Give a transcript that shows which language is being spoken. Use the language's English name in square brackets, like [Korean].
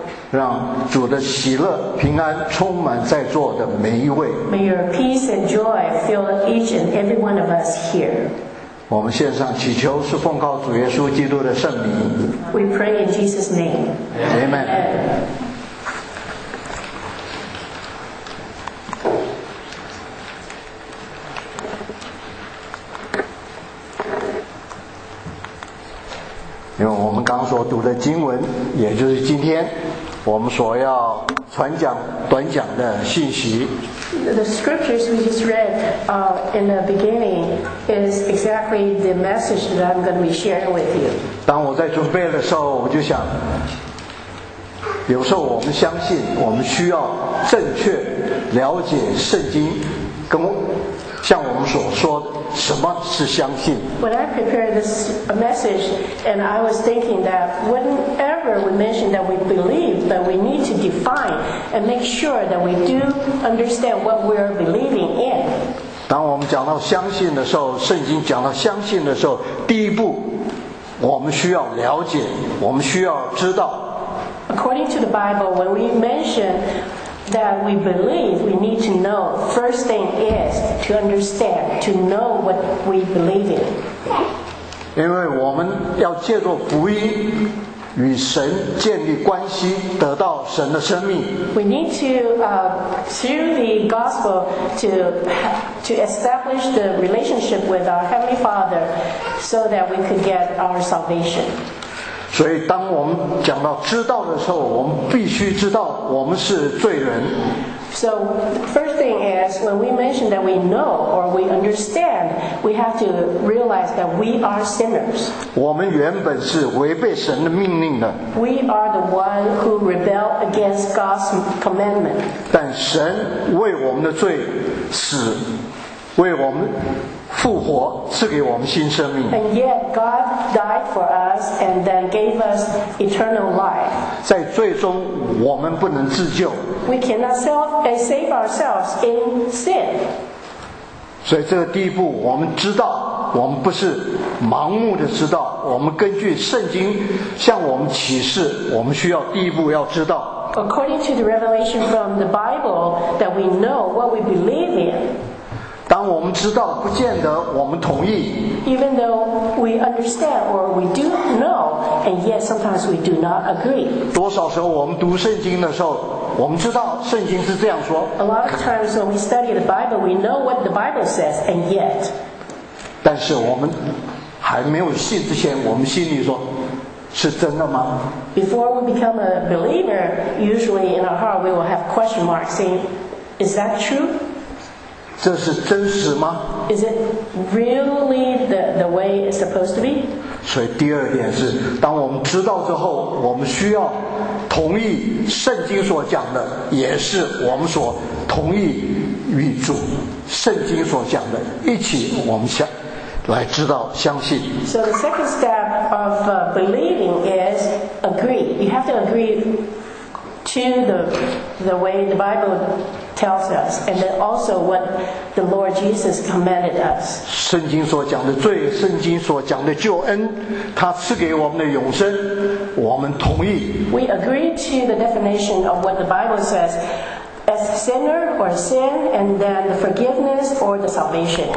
[Chinese] 让主的喜乐平安充满在座的每一位。 [English] May your peace and joy fill each and every one of us here. [Chinese] 我们献上祈求是奉靠主耶稣基督的圣名。 [English] We pray in Jesus' name. Amen. Amen. [Chinese] 因为我们刚所读的经文，也就是今天我们所要传讲短讲的信息。 [English] The scriptures we just read in the beginning is exactly the message that I'm going to be sharing with you. [Chinese] 当我在准备的时候，我就想，有时候我们相信，我们需要正确了解圣经，跟我像我们所说的。什么是相信？ [English] When I prepared this message, and I was thinking that whenever we mention that we believe, but we need to define and make sure that we do understand what we are believing in. [Chinese] 当我们讲到相信的时候，圣经讲到相信的时候，第一步，我们需要了解，我们需要知道。 [English] According to the Bible, when we mention that we believe, we need to know. First thing is to understand, to know what we believe in. [Chinese] 因为我们要借助福音与神建立关系，得到神的生命。 [English] We need to through the gospel to establish the relationship with our Heavenly Father so that we could get our salvation. [Chinese] 所以当我们讲到知道的时候，我们必须知道我们是罪人。 [English] So the first thing is, when we mention that we know or we understand, we have to realize that we are sinners. [Chinese] 我们原本是违背神的命令的。 [English] We are the one who rebel against God's commandment. [Chinese] 但神为我们的罪死，为我们复活，赐给我们新生命。 [English] And yet God died for us and then gave us eternal life. [Chinese] 在最终我们不能自救。 [English] We cannot save ourselves in sin. [Chinese] 所以这个第一步，我们知道，我们不是盲目的知道，我们根据圣经向我们启示，我们需要第一步要知道。 [English] According to the revelation from the Bible that we know what we believe in. [Chinese] 当我们知道，不见得我们同意。 [English] Even though we understand or we do know, and yet sometimes we do not agree. [Chinese] 多少时候我们读圣经的时候，我们知道圣经是这样说。 [English] A lot of times when we study the Bible, we know what the Bible says, and yet. [Chinese] 但是我们还没有信之前，我们心里说，是真的吗？ [English] Before we become a believer, usually in our heart we will have question marks saying, is that true? [Chinese] 这是真实吗？ [English] Is it really the way it's supposed to be? [Chinese] 所以第二点是，当我们知道之后，我们需要同意圣经所讲的，也是我们所同意与主圣经所讲的一起，我们想来知道相信。 [English] So the second step of believing is agree. You have to agree to the way the Bible. Tells us, and then also what the Lord Jesus commanded us. [Chinese] 圣经所讲的罪，圣经所讲的救恩，他赐给我们的永生，我们同意。 [English] We agree to the definition of what the Bible says as sinner or sin, and then the forgiveness or the salvation.